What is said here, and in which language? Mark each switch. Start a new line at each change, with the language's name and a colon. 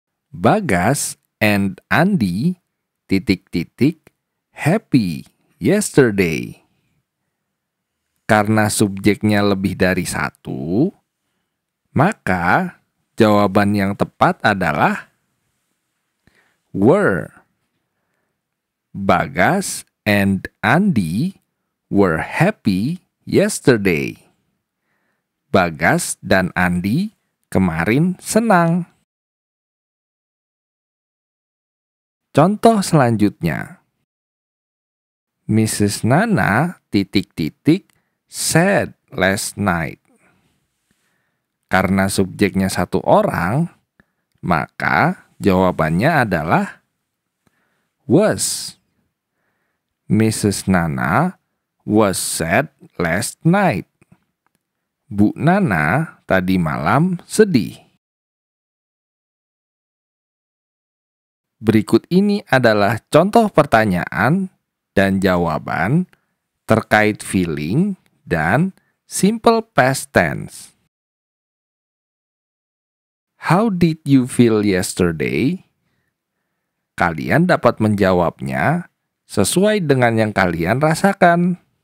English: Bagas and Andy ... happy yesterday.
Indonesian: Karena subjeknya lebih dari satu, maka jawaban yang tepat adalah were.
English: Bagas and Andy were happy yesterday.
Indonesian: Bagas dan Andy kemarin senang. Contoh selanjutnya. Mrs.
English: Nana ... said last night.
Indonesian: Karena subjeknya satu orang, maka jawabannya adalah was. Mrs.
English: Nana was sad last night.
Indonesian: Bu Nana tadi malam sedih. Berikut ini adalah contoh pertanyaan dan jawaban terkait feeling dan simple past tense.
English: How did you feel yesterday?
Indonesian: Kalian dapat menjawabnya sesuai dengan yang kalian rasakan.